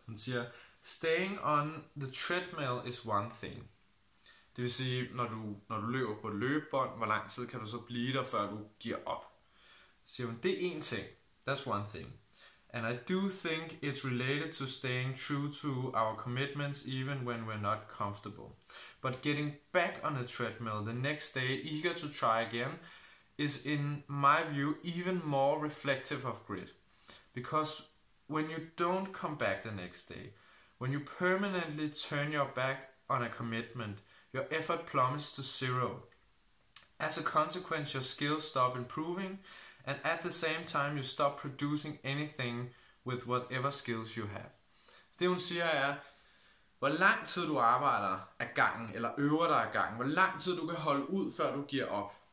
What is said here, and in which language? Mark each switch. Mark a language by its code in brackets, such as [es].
[da] Hun siger, [en] "Staying on the treadmill is one thing." [da] Det vil sige, når du løber på et løbebånd, hvor lang tid kan du så blive der, før du giver op? Så siger hun, det er én ting. [en] That's one thing. "And I do think it's related to staying true to our commitments, even when we're not comfortable. But getting back on the treadmill the next day, eager to try again, is in my view even more reflective of grit. Because when you don't come back the next day, when you permanently turn your back on a commitment, your effort plummets to zero. As a consequence, your skills stop improving, and at the same time, you stop producing anything with whatever skills you have. [da] Det hun siger er, hvor lang tid du arbejder ad gangen, eller øver dig ad gangen, hvor lang tid du kan holde ud, før du giver op.